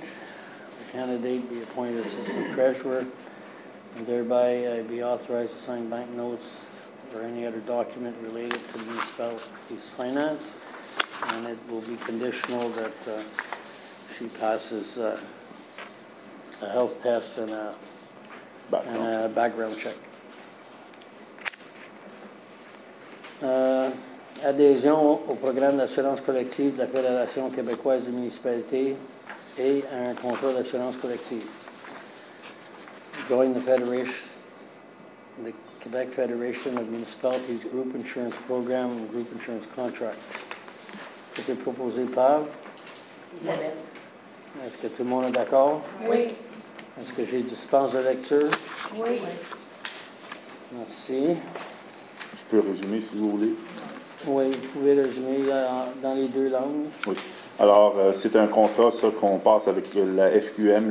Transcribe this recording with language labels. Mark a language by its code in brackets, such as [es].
[en] The candidate be appointed assistant treasurer and thereby be authorized to sign bank notes or any other document related to the municipality's finance. And it will be conditional that she passes a health test and a background check. [fr] Adhésion au programme d'assurance collective de la Fédération québécoise des municipalités et à un contrat d'assurance collective. [en] Join the Federation, the Quebec Federation of Municipalities Group Insurance Program and Group Insurance Contract. [fr] Est-ce proposé par? Isabelle. Est-ce que tout le monde est d'accord? Oui. Est-ce que j'ai dispense de lecture? Oui. Merci. Je peux résumer, si vous voulez. Oui, vous pouvez résumer dans les deux langues. Oui. Alors, c'est un contrat, ça, qu'on passe avec la FQM.